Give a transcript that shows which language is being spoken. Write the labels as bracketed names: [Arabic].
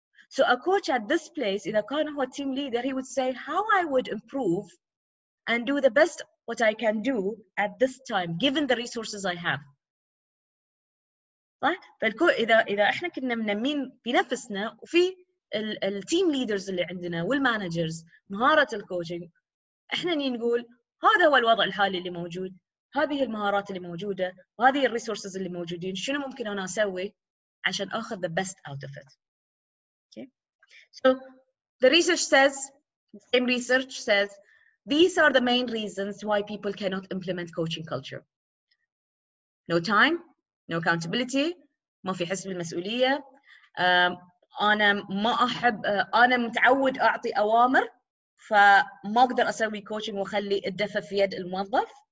[English] So a coach at this place, in a kind of a team leader, he would say how I would improve and do the best what I can do at this time, given the resources I have. [Arabic] إذا إحنا كنا منمين في نفسنا وفي ال team leaders اللي عندنا والmanagers مهارة الكوتشنج، إحنا نقول هذا هو الوضع الحالي اللي موجود، هذه المهارات اللي موجودة، وهذه ال resources اللي موجودين، شنو ممكن أنا أسوي عشان أخذ [English] the best out of it. Okay. So the research says, the same research says, these are the main reasons why people cannot implement coaching culture. No time, no accountability, [Arabic] ما في حس بالمسؤولية. أنا ما أحب، أنا متعود أعطي أوامر، فما أقدر أسوي coaching وخلي الدفع في يد الموظف.